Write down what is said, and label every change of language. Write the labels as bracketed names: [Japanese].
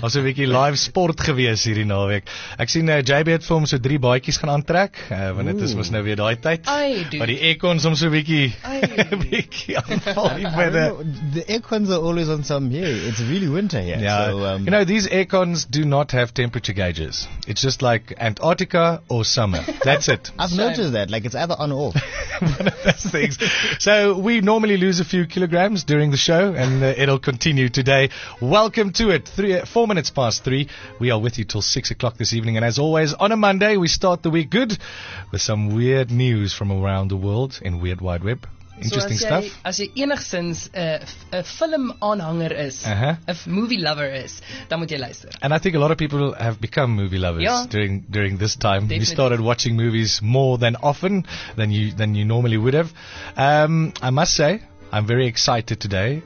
[Afrikaans] Was 'n bietjie live sport gewees hierdie naweek. Ek sien JB het vir hom so 3 baadjies gaan aantrek, want dit is mos nou weer daai tyd. Maar die aircons om so 'n bietjie [English] the aircons are always on some here. It's really winter here. Yeah. So, you know, these aircons do not have temperature gauges. It's just like Antarctica or summer. That's it. I've noticed that. Like, it's either on or off. One of those things. So, we normally lose a few kilograms during the show, and it'll continue today. Welcome to it. 3:04. We are with you till 6 o'clock this evening. And as always, on a Monday, we start the week good with some weird news from around the world in Weird Wide Web. Interesting so as stuff. [Afrikaans] As jy enigszins 'n film aanhanger is, 'n [English] movie lover [Afrikaans] is, dan moet jy luister. [English] And I think a lot of people have become movie lovers during this time. Definitely. We started watching movies more than often than you normally would have. I must say, I'm very excited today.